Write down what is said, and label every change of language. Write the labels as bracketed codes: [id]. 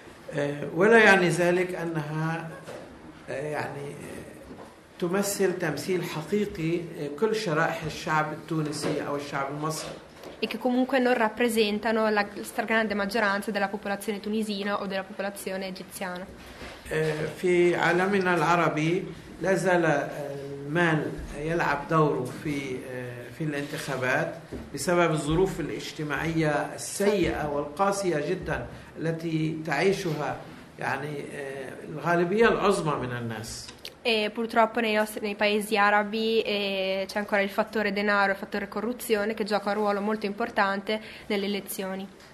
[it] E che comunque non rappresentano la stragrande maggioranza della popolazione tunisina o della popolazione egiziana. [ar] في عالمنا العربي لا زال المال يلعب دوره في في الانتخابات بسبب الظروف الاجتماعية السيئة والقاسية جدا التي تعيشها يعني الغالبية العظمى من الناس. [it] E purtroppo nei paesi arabi c'è ancora il fattore denaro, il fattore corruzione che gioca un ruolo molto importante nelle elezioni.